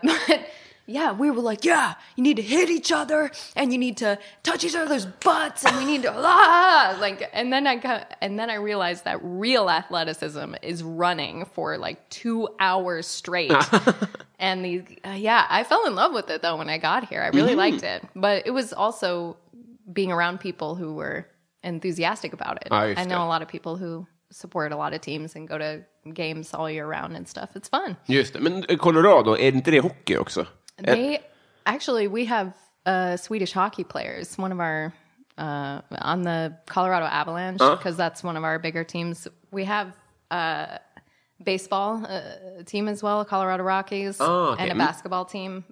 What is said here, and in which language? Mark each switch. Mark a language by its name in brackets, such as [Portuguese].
[English] But yeah, we were like, yeah, you need to hit each other and you need to touch each other's butts and we need to and then I realized that real athleticism is running for like 2 hours straight. And the yeah, I fell in love with it though when I got here. I really liked it. But it was also being around people who were enthusiastic about it. I know a lot of people who support a lot of teams and go to games all year round and stuff. It's fun. [Swedish] Just det. Men Colorado, är inte det hockey också? [English] They actually, we have Swedish hockey players. One of our on the Colorado Avalanche, because that's one of our bigger teams. We have a baseball team as well, Colorado Rockies, and a basketball team.